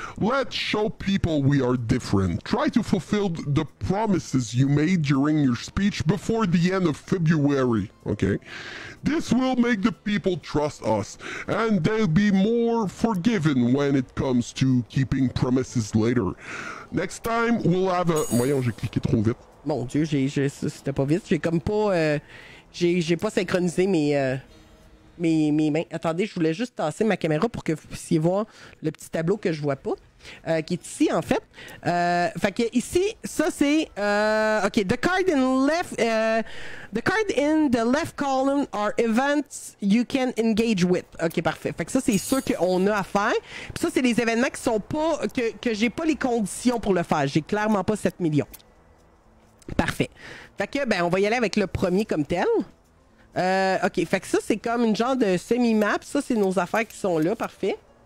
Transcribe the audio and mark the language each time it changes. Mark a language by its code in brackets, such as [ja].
[en] Let's show people we are different. Try to fulfill the promises you made during your speech before the end of February, okay? This will make the people trust us, and they'll be more forgiven when it comes to keeping promises later. Next time, we'll have a... [fr] Voyons, j'ai cliqué trop vite. Mon Dieu, c'était pas vite. J'ai comme pas... j'ai pas synchronisé mes... mes mains. Attendez, je voulais juste tasser ma caméra pour que vous puissiez voir le petit tableau que je vois pas, qui est ici, en fait. Fait que ici, ça, c'est... OK, [en] the card in left... the card in the left column are events you can engage with. [fr] OK, parfait. Fait que ça, c'est ceux qu'on a à faire. Puis ça, c'est les événements qui sont pas... que j'ai pas les conditions pour le faire. J'ai clairement pas 7 millions. Parfait. Fait que, ben, on va y aller avec le premier comme tel. OK, fait que ça, c'est comme une genre de semi-map. Ça, c'est nos affaires qui sont là. Parfait.